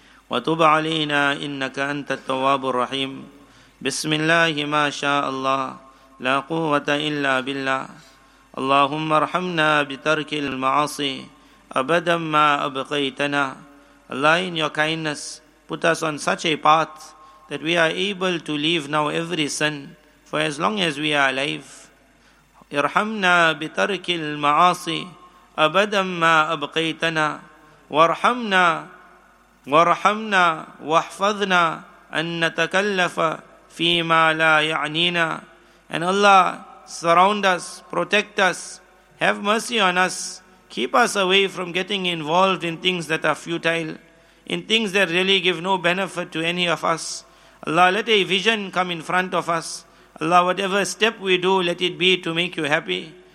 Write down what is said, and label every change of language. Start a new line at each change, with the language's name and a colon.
Arabic: وتب علينا إنك أنت التواب الرحيم بسم الله ما شاء الله لا قوة إلا بالله اللهم ارحمنا بترك المعاصي أبدا ما أبقيتنا.
English: Allah, in your kindness, put us on such a path that we are able to leave now every sin for as long as we are alive.
Arabic: ارحمنا بترك المعاصي أبدا ما أبقيتنا وارحمنا ورحمنا واحفظنا أن نتكلف فيما لا يعنينا.
English: And Allah, surround us, protect us, have mercy on us, keep us away from getting involved in things that are futile, in things that really give no benefit to any of us. Allah, let a vision come in front of us. Allah, whatever step we do, let it be to make you happy.